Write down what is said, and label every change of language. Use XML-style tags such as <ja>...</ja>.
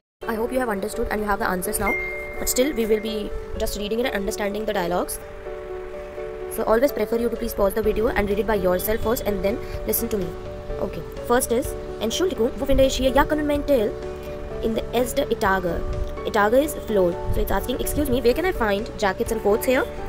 <en>I hope you have understood and you have the answers now. But still, we will be just reading it and understanding the dialogues. So always prefer you to please pause the video and read it by yourself first and then listen to me. Okay, first is,</en> <de>Entschuldigung, wo finde ich hier Jackenmantel?</de> <en>In the</en> <de>erste Etage.</de> <en>Etage is floor. So it's asking, excuse me, where can I find jackets and coats here?</en>